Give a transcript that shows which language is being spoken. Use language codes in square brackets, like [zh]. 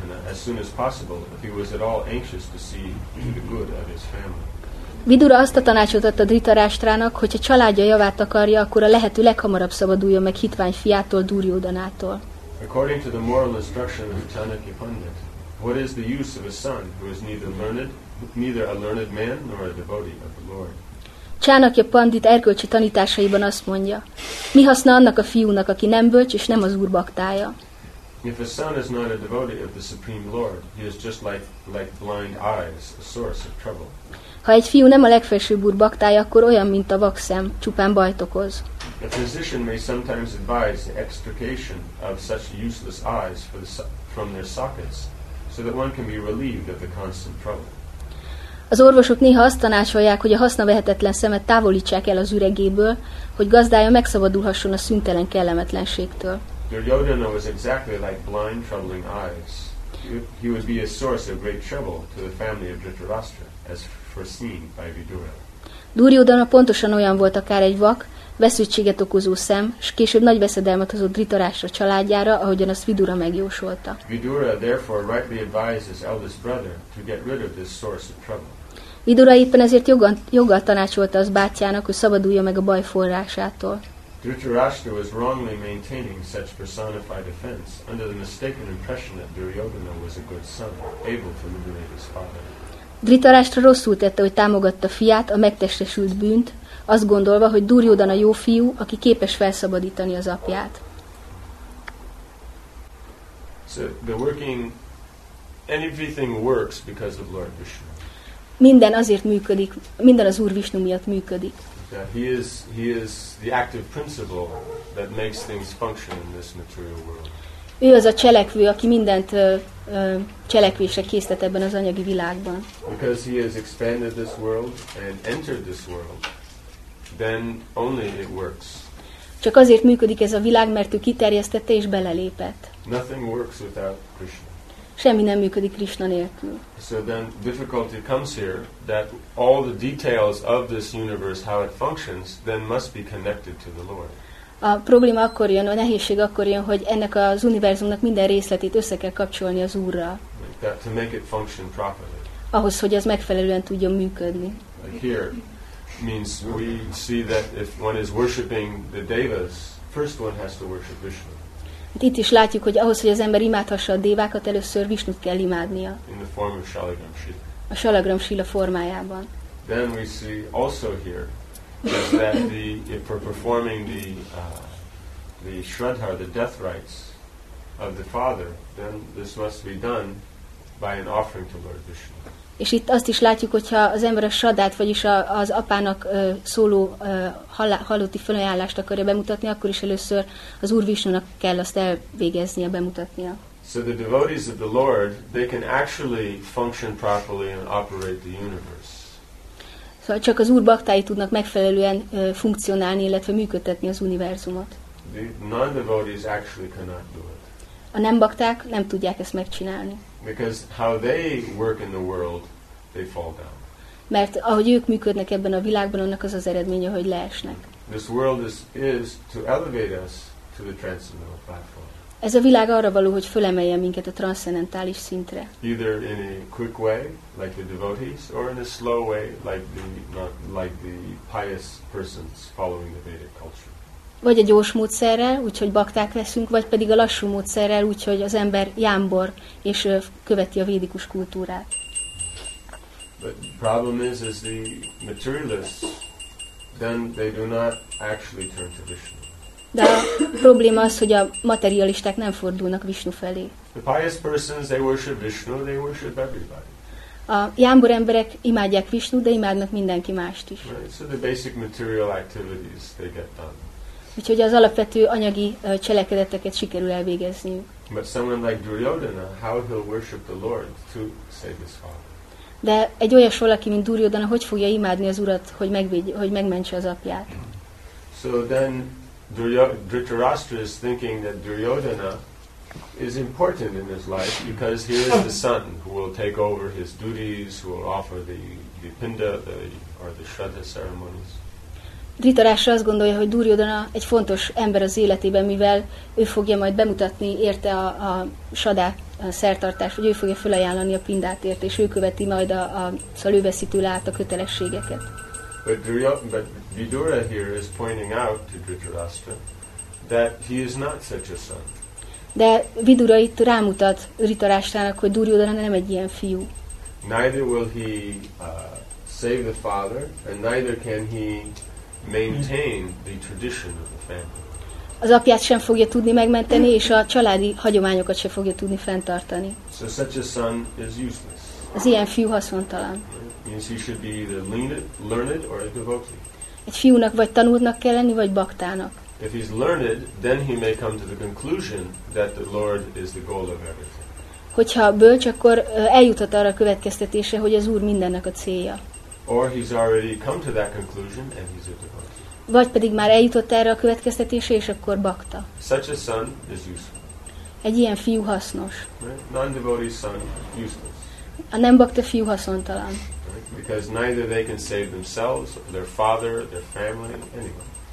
[en] As soon as possible, if he was at all anxious to see the good of his family. [hu] Vidura azt a tanácsot adta Dhritarashtrának, hogy ha családja javát akarja, akkor a lehető leghamarabb szabaduljon meg hitvány fiától, Duryodhanától. [en] According to the moral instruction of Chanakya Pandit, what is the use of a son who is neither a learned man nor a devotee of the Lord? [hu] Chanakya Pandit erkölcsi tanításaiban azt mondja, mi haszna annak a fiúnak, aki nem bölcs és nem az Úr baktája? [en] If a son is not a devotee of the Supreme Lord, he is just like blind eyes, a source of trouble. [hu] Ha egy fiú nem a legfelsőbb úr baktája, akkor olyan, mint a vakszem, csupán bajt okoz. [en] A physician may sometimes advise the extrication of such useless eyes from their sockets, so that one can be relieved of the constant trouble. [hu] Az orvosok néha azt tanácsolják, hogy a hasznavehetetlen szemet távolítsák el az üregéből, hogy gazdája megszabadulhasson a szüntelen kellemetlenségtől. [en] Duryodhana was exactly like blind, troubling eyes. He would be a source of great trouble to the family of Dhritarashtra, as foreseen by Vidura. [hu] Duryodhana pontosan olyan volt akár egy vak, veszőtséget okozó szem, s később nagy veszedelmet hozott Dhritarashtra családjára, ahogyan azt Vidura megjósolta. [en] Vidura therefore rightly advised his eldest brother to get rid of this source of trouble. [hu] Vidura éppen ezért joggal tanácsolta az bátyjának, hogy szabadulja meg a baj forrásától. [en] Dhritarashtra was wrongly maintaining such personified offense under the mistaken impression that Duryodhana was a good son, able to liberate his father. [hu] Dhritarashtra rosszul tette, hogy támogatta fiát, a megtestesült bűnt, azt gondolva, hogy Duryodhana jó fiú, aki képes felszabadítani az apját. [en] So the working, everything works because of Lord Vishnu. [hu] Minden azért működik, minden az Úr Vishnu miatt működik. [en] Yeah, he is the active principle that makes things function in this material world. [hu] Ő az a cselekvő, aki mindent cselekvésre készített ebben az anyagi világban. [en] Because he has expanded this world and entered this world, then only it works. [hu] Csak azért működik ez a világ, mert ő kiterjesztette és belelépett. [en] Nothing works without Krishna. [hu] Semmi nem működik Krishna nélkül. [en] So then difficulty comes here that all the details of this universe, how it functions, then must be connected to the Lord. [hu] A probléma akkor jön, a nehézség akkor jön, hogy ennek az univerzumnak minden részletét össze kell kapcsolni az Úrral. [en] Like that, to make it function properly. [hu] Ahhoz, hogy ez megfelelően tudjon működni. [en] like here, means we see that if one is worshiping the devas, first one has to worship Vishnu. [hu] Itt is látjuk, hogy ahhoz, hogy az ember imádhassa a dévákat, először Vishnut kell imádnia. [en] In the form of Shalagram Shila. [hu] A Shalagram Shila formájában. [en] Then we see also here that the if we're performing the Shraddhar, the death rites of the father, then this must be done by an offering to Lord Vishnu. [hu] És itt azt is látjuk, hogyha az ember a sadát, vagyis az apának szóló halotti felajánlást akarja bemutatni, akkor is először az Úr Visnónak kell azt elvégeznie, bemutatnia. [en] So the devotees of the Lord, they can actually function properly and operate the universe. [hu] Szóval csak az Úr baktái tudnak megfelelően funkcionálni, illetve működtetni az univerzumot. [en] The non-devotees actually cannot do it. [hu] A nem bakták nem tudják ezt megcsinálni. [en] Because how they work in the world, they fall down. [hu] Mert ahogy ők működnek ebben a világban, annak az az eredménye, hogy leesnek. [en] This world is to elevate us to the transcendental platform. [hu] Ez a világ arra való, hogy fölemelje minket a transzcendentális szintre. [en] Either in a quick way, like the devotees, or in a slow way, like the pious persons following the Vedic culture. [hu] Vagy a gyors módszerrel, úgyhogy bakták leszünk, vagy pedig a lassú módszerrel, úgyhogy az ember jámbor és követi a védikus kultúrát. [en] But the problem is the materialists, then they do not actually turn to Vishnu. [hu] De a probléma az, hogy a materialisták nem fordulnak Vishnu felé. [en] The pious persons, they worship Vishnu, they worship everybody. [hu] A jámbor emberek imádják Vishnu, de imádnak mindenki mást is. [en] Right, so the basic material activities they get done. [hu] Úgyhogy az alapvető anyagi cselekedeteket sikerül elvégezni. [en] But someone like Duryodhana, how he'll worship the Lord to save his father. [hu] De egy olyas valaki, mint Duryodhana, hogy fogja imádni az Urat, hogy megmentse az apját? [en] So then Dhritarashtra is thinking that Duryodhana is important in his life because he is the son who will take over his duties, who will offer the pinda or the shraddha ceremonies. [hu] Dhritarashtra azt gondolja, hogy Duryodhana egy fontos ember az életében, mivel ő fogja majd bemutatni érte a sadák szertartást, vagy ő fogja felajánlani a pindát érte, és ő követi majd a szóval ő veszi tőle át a kötelességeket. [en] But Vidura here is pointing out to Dhritarashtra that he is not such a son. [hu] De Vidura itt rámutat Dhritarashtrának, hogy Duryodhana nem egy ilyen fiú. [en] Neither will he save the father, and neither can he maintain the tradition of the family. [hu] Az apját sem fogja tudni megmenteni, és a családi hagyományokat sem fogja tudni fenntartani. [en] So such a son is useless. [hu] Az ilyen fiú haszontalan. [en] Means he should be either learned or a devotee. [hu] Egy fiúnak vagy tanultnak kell lenni, vagy baktának. [en] If he's learned, then he may come to the conclusion that the Lord is the goal of everything. [hu] Hogyha bölcs, akkor eljuthat arra a következtetésre, hogy az Úr mindennek a célja. [en] Or he's already come to that conclusion and he's a devotee. [hu] Vagy pedig már eljutott erre a következtetésre, és akkor bakta. [en] Such a son is useful. [hu] Egy ilyen fiú hasznos. [en] Right? Non-devotee son useless. [hu] A nem bakta fiú haszontalan. [en] Right? Because neither they can save themselves, their father, their family, anyone.